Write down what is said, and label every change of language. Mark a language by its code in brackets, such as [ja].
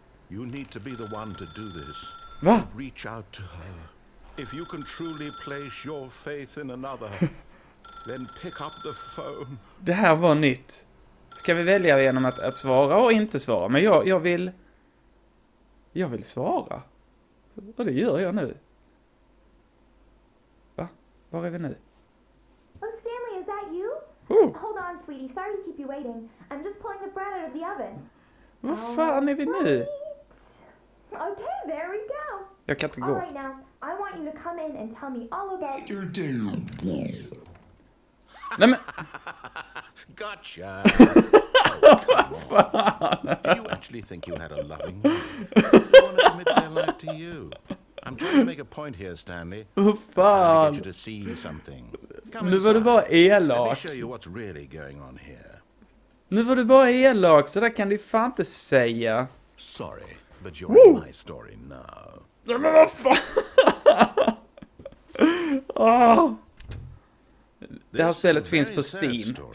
[en] You need to be the one to do this. [sv] Va? [en] To reach out to her. If you can truly place your faith in another, then pick up the phone. [sv] Det här var nytt. Ska vi välja genom att svara och inte svara? Men jag vill svara. Och det gör jag nu. Va? Var är vi nu? [en] Oh, Stanley, is that you? Hold on, sweetie. Sorry to keep you waiting. I'm just pulling the bread out of the oven. [sv] Vad fan är vi nu? [en] Okay, there we go. [sv] Jag kan inte gå. [en] All right now, I want you to come in and tell me all about your day. [sv] Nej men... [en] Gotcha! Oh, [sv] fan! [en] Do you actually think you had a loving wife? Don't admit their life to you. I'm trying to make a point here, Stanley. [sv] Fan! [en] I'm trying to get you to see something. [sv] Nu var du bara elak. [en] Let me show you what's really going on here. [sv] Nu var du bara elak, så där kan du fan inte säga. [en] Sorry. But you're in my story now. [sv] Nej, men vad fan! Det här spelet finns på Steam.